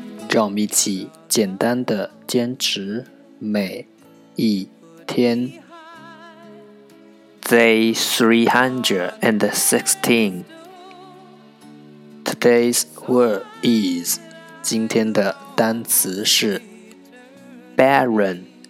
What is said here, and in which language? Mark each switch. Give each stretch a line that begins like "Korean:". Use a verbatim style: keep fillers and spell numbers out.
Chinese: 让我们一起简单的坚持每一天。
English: Day three hundred and sixteen. Today's word is.
Chinese: 今天的单词是 barren.